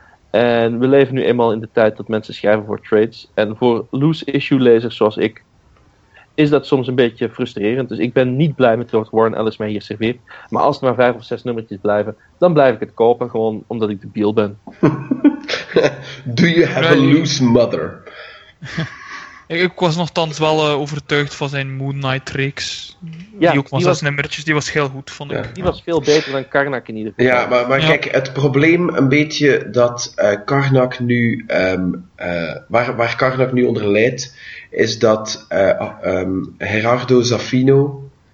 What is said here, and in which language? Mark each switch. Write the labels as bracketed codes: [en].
[nl] En we leven nu eenmaal in de tijd dat mensen schrijven voor trades. En voor loose issue lezers zoals ik, is dat soms een beetje frustrerend. Dus ik ben niet blij met wat Warren Ellis mij hier serveert. Maar als er maar 5 of 6 nummertjes blijven, dan blijf ik het kopen, gewoon omdat ik debiel ben. [en] Do you have a loose mother? [nl] Ik was nogthans wel overtuigd van zijn Moon Knight-reeks. Ja, die ook maar zes nummertjes, die was heel goed, vond ik. Ja. Die was veel beter dan Karnak in ieder geval. Ja, maar kijk, het probleem een beetje dat Karnak nu... waar Karnak nu onder leidt, is dat Gerardo Zaffino...